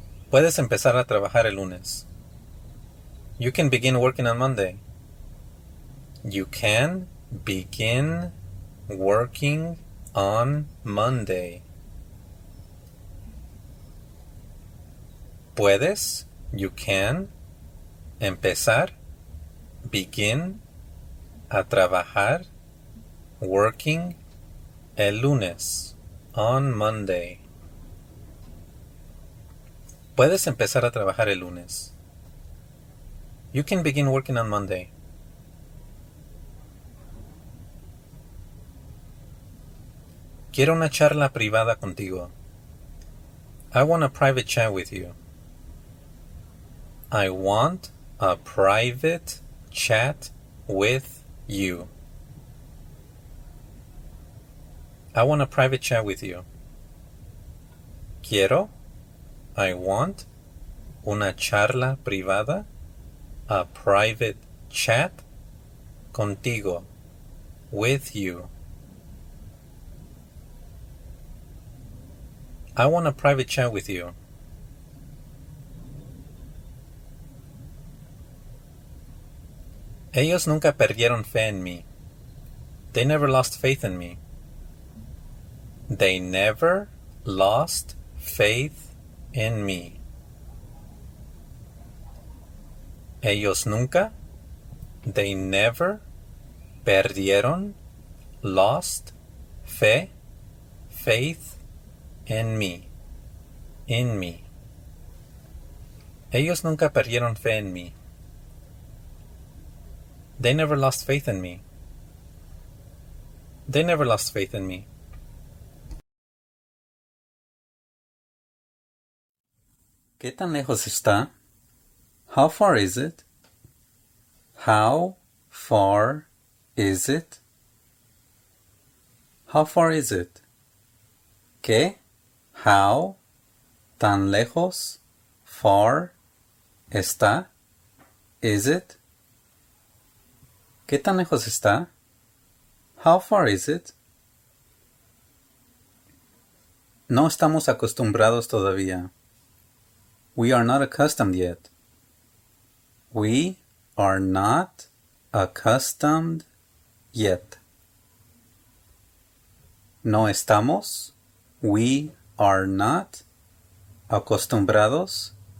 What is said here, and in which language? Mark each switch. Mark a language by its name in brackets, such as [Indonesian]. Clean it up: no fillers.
[Spanish] Puedes empezar a trabajar el lunes. [English] You can begin working on Monday. You can begin working on Monday. [Spanish] Puedes, [English] you can, [Spanish] empezar, [English] begin, [Spanish] a trabajar, [English] working, [Spanish] el lunes, [English] on Monday. [Spanish] Puedes empezar a trabajar el lunes. [English] You can begin working on Monday. [Spanish] Quiero una charla privada contigo. [English] I want a private chat with you. I want a private chat with you. I want a private chat with you. [Spanish] Quiero, [English] I want [Spanish] una charla privada, [English] a private chat [Spanish] contigo, [English] with you. I want a private chat with you. [Spanish] Ellos nunca perdieron fe en mí. [English] They never lost faith in me. They never lost faith in me. [Spanish] Ellos nunca, [English] they never [Spanish] perdieron, [English] lost [Spanish] fe, [English] faith in me, in me. [Spanish] Ellos nunca perdieron fe en mí. [English] They never lost faith in me. They never lost faith in me. [Spanish] ¿Qué tan lejos está? [English] How far is it? How far is it? How far is it? [Spanish] ¿Qué? [English] How? [Spanish] ¿Tan lejos? [English] Far? [Spanish] ¿Está? [English] Is it? [Spanish] ¿Qué tan lejos está? [English] How far is it? [Spanish] No estamos acostumbrados todavía. [English] We are not accustomed yet. We are not accustomed yet. [Spanish] No estamos. [English] We are not [Spanish] acostumbrados.